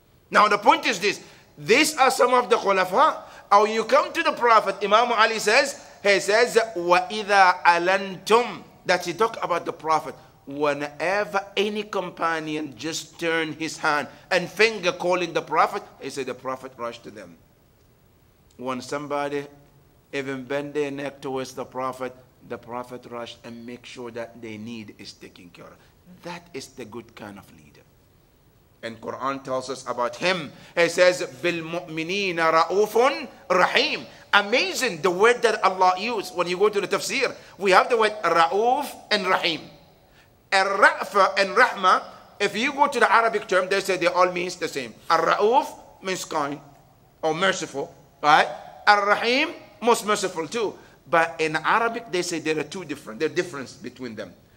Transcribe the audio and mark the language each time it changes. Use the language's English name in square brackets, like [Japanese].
[English] Now the point is this, these are some of the khulafa. Or you come to the Prophet, Imam Ali says, he says, [Arabic] وَإِذَا أَلَنْتُمْ, [English] that he talk about the Prophet, whenever any companion just turned his hand and finger calling the Prophet, he said the Prophet rushed to them. When somebody even bend their neck towards the Prophet rushed and make sure that they need is taken care of. That is the good kind of leader. And Quran tells us about him. [Arabic] He says, بِالْمُؤْمِنِينَ رَأُوفٌ رَحِيمٌ. [English] Amazing, the word that Allah used. When you go to the tafsir, we have the word رَأُوف and رَحِيم. الرَّأْفَ and رَحْمَة, if you go to the Arabic term, they say they all means the same. الرَّأُوف means kind or merciful, right? الرَّحِيم, most merciful too. But in Arabic, they say there are two different, there are difference between them.